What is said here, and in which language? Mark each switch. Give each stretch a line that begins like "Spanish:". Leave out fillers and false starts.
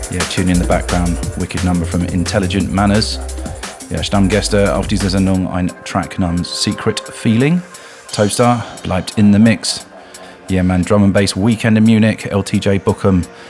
English: tune in the background, Wicked Number from Intelligent Manners.
German: Ja, Stammgäste auf dieser Sendung, ein Track namens Secret Feeling.
English: Toaster
German: bleibt
English: in the mix. Yeah man, Drum and Bass Weekend in Munich, LTJ Bookham.